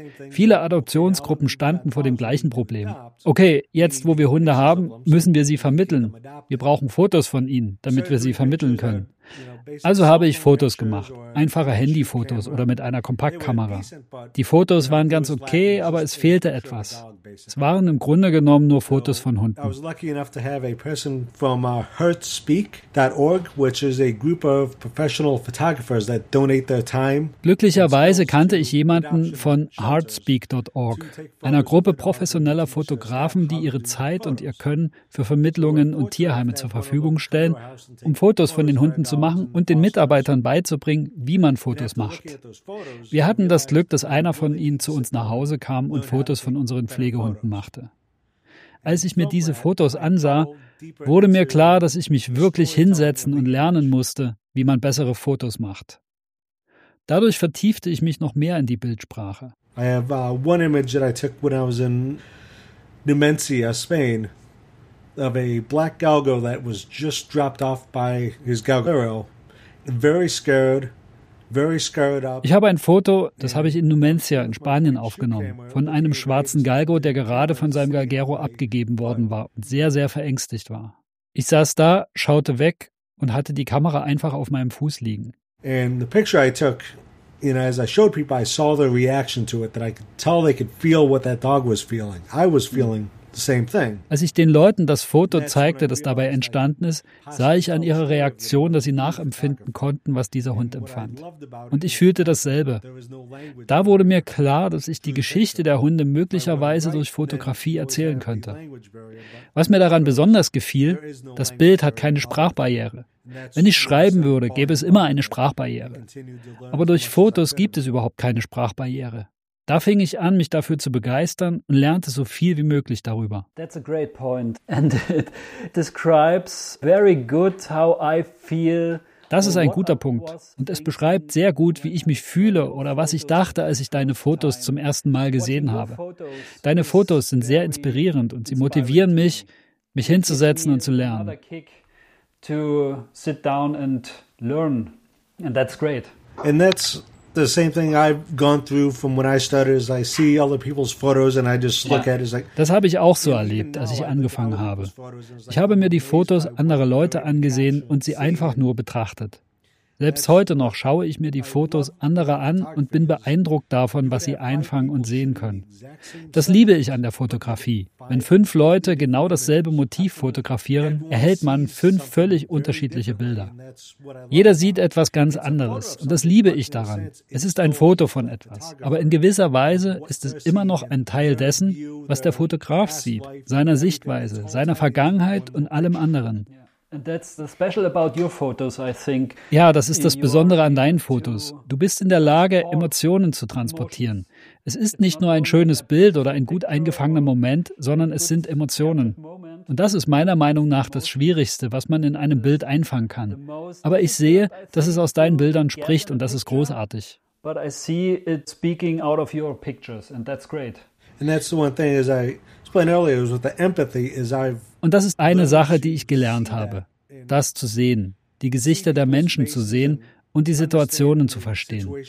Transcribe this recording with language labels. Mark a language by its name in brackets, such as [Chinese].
[German] Viele Adoptionsgruppen standen vor dem gleichen Problem. Okay, jetzt wo wir Hunde haben, müssen wir sie vermitteln. Wir brauchen Fotos von ihnen, damit wir sie vermitteln können. Also habe ich Fotos gemacht, einfache Handyfotos oder mit einer Kompaktkamera. Die Fotos waren ganz okay, aber es fehlte etwas. Es waren im Grunde genommen nur Fotos von Hunden. [English] I was lucky enough to have a person from hurtspeak.org, which is a group of professional photographers that donate their time. [German] Glücklicherweise kannte ich jemanden von hurtspeak.org, einer Gruppe professioneller Fotografen, die ihre Zeit und ihr Können für Vermittlungen und Tierheime zur Verfügung stellen, um Fotos von den Hunden zu machen und den Mitarbeitern beizubringen, wie man Fotos macht. Wir hatten das Glück, dass einer von ihnen zu uns nach Hause kam und Fotos von unseren Pflegehunden machte. Als ich mir diese Fotos ansah, wurde mir klar, dass ich mich wirklich hinsetzen und lernen musste, wie man bessere Fotos macht. Dadurch vertiefte ich mich noch mehr in die Bildsprache. [English] I have one image that I took when I was in Numancia, Spain. Of a black galgo that was just dropped off by his galgo. Very scared. [German] Ich habe ein Foto, das habe ich in Numancia in Spanien aufgenommen, von einem schwarzen Galgo, der gerade von seinem Galgero abgegeben worden war und sehr, sehr verängstigt war. Ich saß da, schaute weg und hatte die Kamera einfach auf meinem Fuß liegen. [English] And the picture I took you know, as I showed people, I saw their reaction to it, that I could tell they could feel what that dog was feeling. I was feeling the same thing. [German] Als ich den Leuten das Foto zeigte, das dabei entstanden ist, sah ich an ihrer Reaktion, dass sie nachempfinden konnten, was dieser Hund empfand. Und ich fühlte dasselbe. Da wurde mir klar, dass ich die Geschichte der Hunde möglicherweise durch Fotografie erzählen könnte. Was mir daran besonders gefiel, das Bild hat keine Sprachbarriere. Wenn ich schreiben würde, gäbe es immer eine Sprachbarriere. Aber durch Fotos gibt es überhaupt keine Sprachbarriere. Da fing ich an, mich dafür zu begeistern und lernte so viel wie möglich darüber. [English] That's a great point. And it describes very good how I feel. [German] Das ist ein guter Punkt. Und es beschreibt sehr gut, wie ich mich fühle oder was ich dachte, als ich deine Fotos zum ersten Mal gesehen habe. Deine Fotos sind sehr inspirierend und sie motivieren mich, mich hinzusetzen und zu lernen. [English] To sit down and learn, and that's great. And that's the same thing I've gone through from when I started. Is I see other people's photos and I just look at it. Like, [German] das habe ich auch so erlebt, als ich angefangen habe. Ich habe mir die Fotos anderer Leute angesehen und sie einfach nur betrachtet. Selbst heute noch schaue ich mir die Fotos anderer an und bin beeindruckt davon, was sie einfangen und sehen können. Das liebe ich an der Fotografie. Wenn 5 Leute genau dasselbe Motiv fotografieren, erhält man 5 völlig unterschiedliche Bilder. Jeder sieht etwas ganz anderes und das liebe ich daran. Es ist ein Foto von etwas, aber in gewisser Weise ist es immer noch ein Teil dessen, was der Fotograf sieht, seiner Sichtweise, seiner Vergangenheit und allem anderen. [English] And that's the special about your photos, I think. [German] Ja, das ist das Besondere an deinen Fotos. Du bist in der Lage, Emotionen zu transportieren. Es ist nicht nur ein schönes Bild oder ein gut eingefangener Moment, sondern es sind Emotionen. Und das ist meiner Meinung nach das Schwierigste, was man in einem Bild einfangen kann. Aber ich sehe, dass es aus deinen Bildern spricht und das ist großartig. [English] But I see it speaking out of your pictures and that's great. And that's the one thing is I explained earlier is with the empathy is I've. [German] Und das ist eine Sache, die ich gelernt habe, das zu sehen, die Gesichter der Menschen zu sehen und die Situationen zu verstehen.